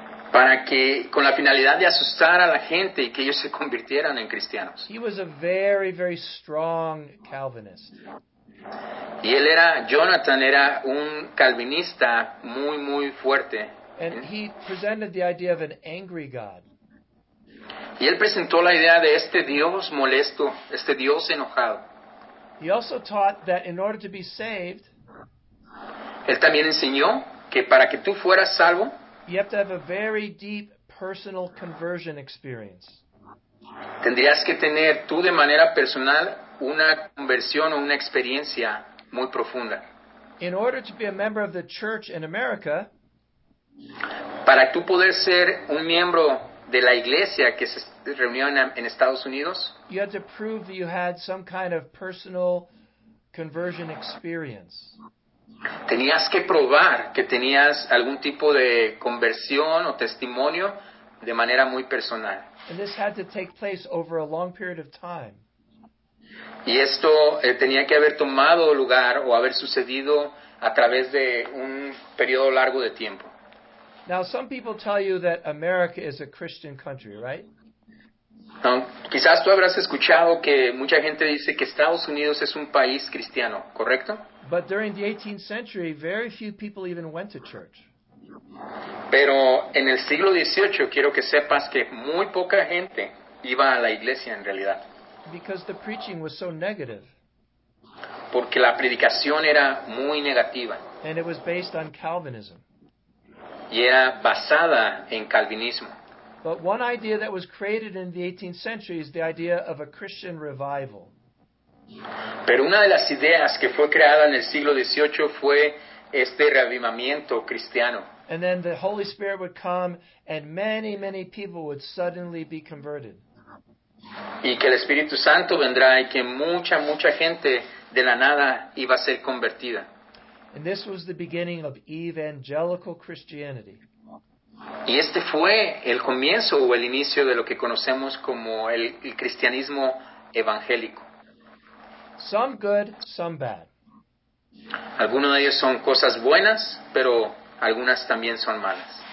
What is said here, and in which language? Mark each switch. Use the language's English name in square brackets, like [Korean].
[Spanish] Para que, con la finalidad de asustar a la gente y que ellos se convirtieran en cristianos. [English] He was a very, very strong Calvinist. [Spanish] Y él era, Jonathan era un calvinista muy, muy fuerte. [English] And he presented the idea of an angry God. [Spanish] Y él presentó la idea de este Dios molesto, este Dios enojado. [English] He also taught that in order to be saved, [Spanish] él también enseñó que para que tú fueras salvo, [English] you have to have a very deep personal conversion experience. [Spanish] Tendrías que tener tú de manera personal una conversión o una experiencia muy profunda. [English] In order to be a member of the church in America, [Spanish] para tú poder ser un miembro de la iglesia que se reunió en Estados Unidos, [English] you had to prove that you had some kind of personal conversion experience. [Spanish] Tenías que probar que tenías algún tipo de conversión o testimonio de manera muy personal. [English] And this had to take place over a long period of time. [Spanish] Y esto tenía que haber tomado lugar o haber sucedido a través de un periodo largo de tiempo. [English] Now, some people tell you that America is a Christian country, right? [Spanish] No, quizás tú habrás escuchado que mucha gente dice que Estados Unidos es un país cristiano, ¿correcto? [English] But during the 18th century, very few people even went to church. [Spanish] Pero en el siglo XVIII, quiero que sepas que muy poca gente iba a la iglesia en realidad. [English] Because the preaching was so negative. [Spanish] Porque la predicación era muy negativa. [English] And it was based on Calvinism. [Spanish] Y era basada en calvinismo. [English] But one idea that was created in the 18th century is the idea of a Christian revival. [Spanish] Pero una de las ideas que fue creada en el siglo XVIII fue este reavivamiento cristiano. [English] And then the Holy Spirit would come and many, many people would suddenly be converted. [Spanish] Y que el Espíritu Santo vendrá y que mucha, mucha gente de la nada iba a ser convertida. [English] And this was the beginning of evangelical Christianity. [Spanish] Y este fue el comienzo o el inicio de lo que conocemos como el cristianismo evangélico. [English] Some good, some bad. [Spanish] Algunos de ellos son cosas buenas, pero algunas también son malas.